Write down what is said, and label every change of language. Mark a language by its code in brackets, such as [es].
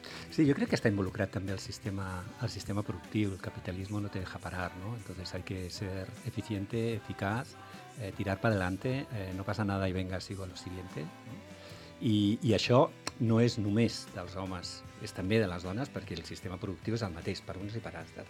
[ca] Sí, jo crec que està involucrat també el sistema productiu, el capitalisme [es] no te deja parar, [ca] no? [es] Entonces hay que ser eficiente, eficaz, tirar para adelante, no pasa nada y venga, sigo a lo siguiente. No? [ca] I això no és només dels homes, és també de les dones, perquè el sistema productiu és el mateix, per uns i per altres.